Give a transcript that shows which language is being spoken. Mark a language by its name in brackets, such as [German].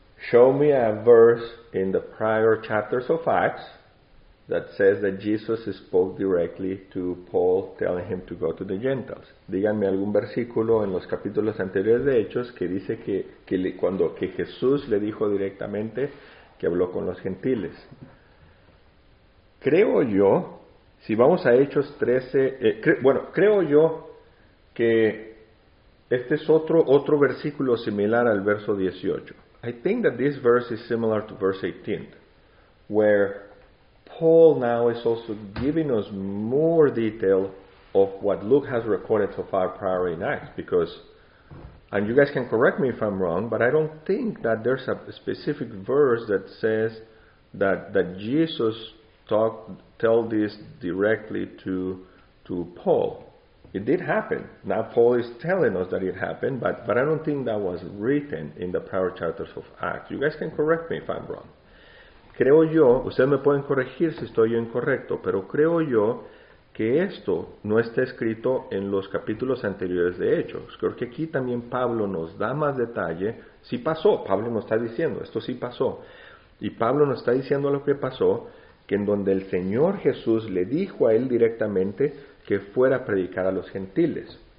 [English] Show me a verse in the prior chapters of Acts that says that Jesus spoke directly to Paul, telling him to go to the Gentiles. [Spanish] Díganme algún versículo en los capítulos anteriores de Hechos que dice que Jesús le dijo directamente que habló con los gentiles. Creo yo, si vamos a Hechos 13, creo yo que este es otro versículo similar al verso 18. [English] I think that this verse is similar to verse 18, where Paul now is also giving us more detail of what Luke has recorded so far prior in Acts, because, and you guys can correct me if I'm wrong, but I don't think that there's a specific verse that says that Jesus tell this directly to Paul. It did happen. Now Paul is telling us that it happened, but I don't think that was written in the prior chapters of Acts. You guys can correct me if I'm wrong. [Spanish] Creo yo, ustedes me pueden corregir si estoy incorrecto, pero creo yo que esto no está escrito en los capítulos anteriores de Hechos. Creo que aquí también Pablo nos da más detalle. Sí pasó, Pablo nos está diciendo, esto sí pasó. Y Pablo nos está diciendo lo que pasó, que en donde el Señor Jesús le dijo a él directamente que fuera a predicar a los gentiles.